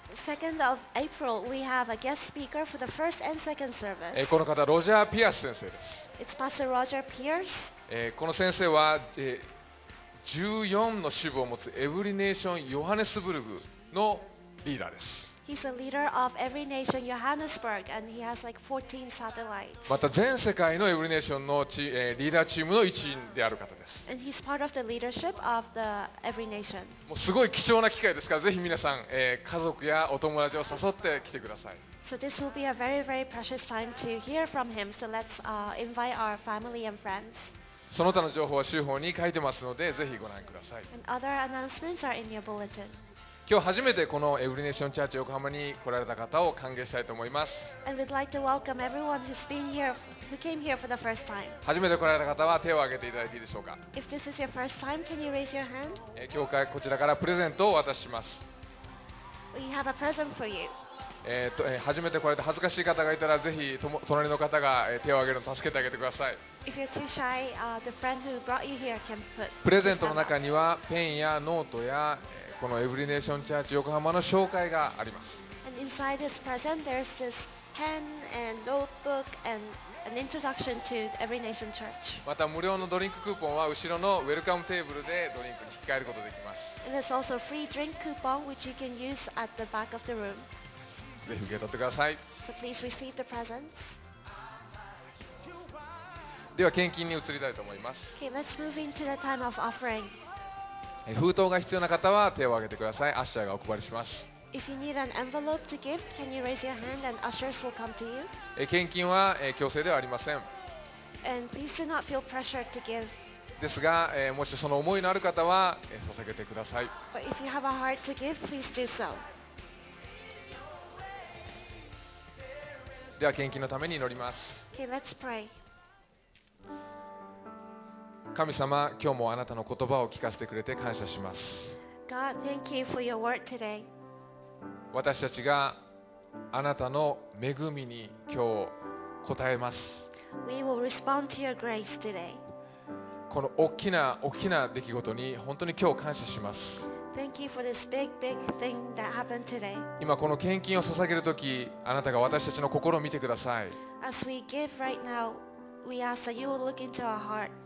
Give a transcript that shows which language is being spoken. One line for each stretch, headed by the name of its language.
English: 2nd of April, we have a guest speaker for the first and second service.
Japanese: この方、ロジャー・ピアース先生です。
English: It's Pastor Roger Pierce.
Japanese: この先生は、14の支部を持つエブリネーション・ヨハネスブルグのリーダーです。
English: He's the leader of every nation, Johannesburg, and he has like 14 satellites.
Japanese: また全世界のエブリネーションのリーダーチームの一員である方です。
English: And he's part of the leadership of the every nation.
Japanese: もうすごい貴重な機会ですから、ぜひ皆さん、家族やお友達を誘って来てください。
English: So this will be a very, very precious time to hear from him. So let's invite our family and friends.
Japanese: その他の情報は週報に書いてますので、ぜひご覧ください。
English: And other announcements are in your bulletin.
Japanese: 今日初めてこのエブリネーションチャーチ横浜に来られた方を歓迎したいと思います。初めて来られた方は手を挙げていただいていいでしょうか。
English: If this is your first time, can you raise your hand?
Japanese: 教会こちらからプレゼントを渡します。
English: We have a present for you.
Japanese: 初めて来られて恥ずかしい方がいたらぜひ隣の方が手を挙げるのを助けてあげてください。
English: If you're too shy, the friend who brought you here can put
Japanese: プレゼントの中にはペンやノートやこのエブリネーションチャーチ横浜の紹介があります。
English: And inside this present, there's this pen and notebook and an introduction to Every Nation Church.
Japanese: また無料のドリンククーポンは後ろのウェルカムテーブルでドリンクに引き換えることができます。
English: And there's also a free drink coupon which you can use at the back of the room.
Japanese: ぜひ受け取ってください。
English: So please receive the present.
Japanese: では献金に移りたいと思います。
English: Okay, let's move into the time of offering.
Japanese: 封筒が必要な方は手を挙げてください。アッシャーがお配りします。
English: If you need an envelope to give, can you raise your hand and ushers will come to you?
Japanese: 献金は強制ではありません。
English: And please do not feel pressured to give.
Japanese: ですが、もしその思いのある方は捧げてください。
English: But if you have a heart to give, please do so.
Japanese: では献金のために祈ります。
English: Okay, let's pray.
Japanese: 神様、今日もあなたの言葉を聞かせてくれて感謝します。
English: God, thank you for your word today.
Japanese: 私たちがあなたの恵みに今日応えます。
English: We will respond to your grace today.
Japanese: この大きな大きな出来事に本当に今日感謝します。
English: Thank you for this big, big thing that happened today.
Japanese: 今この献金を捧げるとき、あなたが私たちの心を見てください。
English: As we give right now, we ask that you will look into our heart